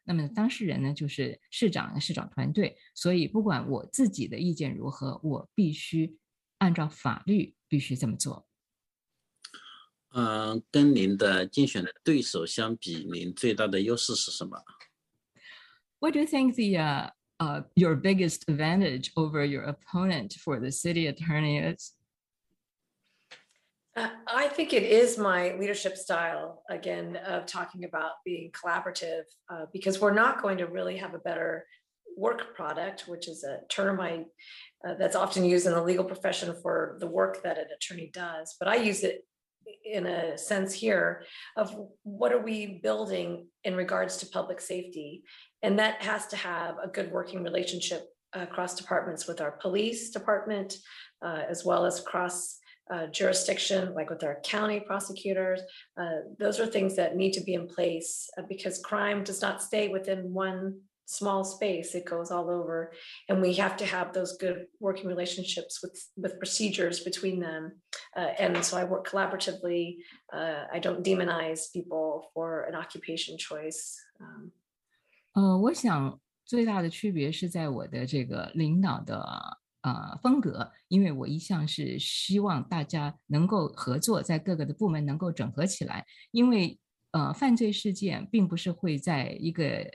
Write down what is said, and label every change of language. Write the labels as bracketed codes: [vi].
[zh] 那么当事人呢，就是市长、市长团队。所以不管我自己的意见如何，我必须按照法律必须这么做。跟您的竞选对手相比，您最大的优势是什么？ [en] What do you think your biggest advantage over your opponent for the city attorney is? I think it is my leadership style, again, of talking about being collaborative, because we're not going to really have a better work product, which is a term that's often used in the legal profession for the work that an attorney does. But I use it in a sense here of what are we building in regards to public safety? And that has to have a good working relationship across departments with our police department, as well as across jurisdiction, like with our county prosecutors. Those are things that need to be in place because crime does not stay within one small space. It goes all over. And we have to have those good working relationships with procedures between them. And so I work collaboratively. I don't demonize people for an occupation choice. [zh] 我想最大的区别是在我的这个领导的风格，因为我一向是希望大家能够合作，在各个的部门能够整合起来，因为犯罪事件并不是会在一个